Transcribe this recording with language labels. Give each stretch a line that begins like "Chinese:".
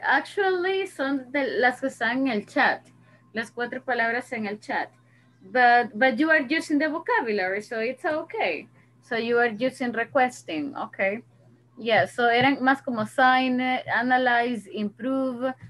Spanish: Actually, son de las que están en el chat. Las cuatro palabras en el chat.
English: But you are using the vocabulary, so it's okay. So you are using requesting, okay.
Spanish: Yeah, so eran más como sign, analyze, improve.